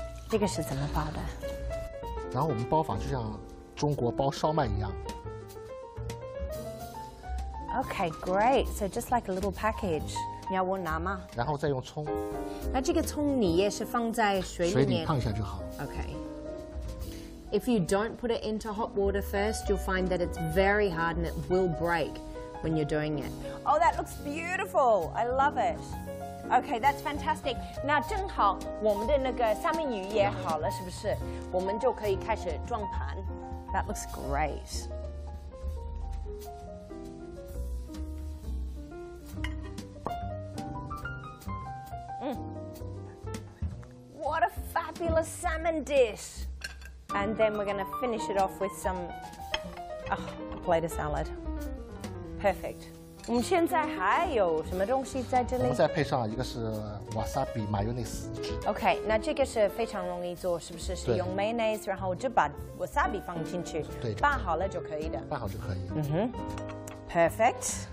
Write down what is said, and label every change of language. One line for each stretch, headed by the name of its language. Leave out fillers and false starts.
Chinese: 这个是怎么包的？然后我们包法就像中国包烧麦一样。
English: Okay, great. So just like a little package.
Chinese: 你要我拿吗？然后再用葱。那这个葱你也是放在水里面？水里烫一下就好。
English: Okay. If you don't put it into hot water first, you'll find that it's very hard and it will break when you're doing it. Oh, that looks beautiful. I love it. Okay, that's fantastic.
Chinese: 那正好我们的那个三文鱼也好了，是不是？我们就可以开始装盘。
English: That looks great. Mm. What a fabulous salmon dish! And then we're going to finish it off with some, a plate of salad. Perfect.
Chinese: 我们现在还有什么东西在这里？我们再配上一个是 wasabi mayonnaise 汁。 OK， 那这个是非常容易做，是不是？是用 mayonnaise， 然后就把 wasabi 放进去，对，拌好了就可以的。拌好就可以。
English: 嗯哼 ，perfect。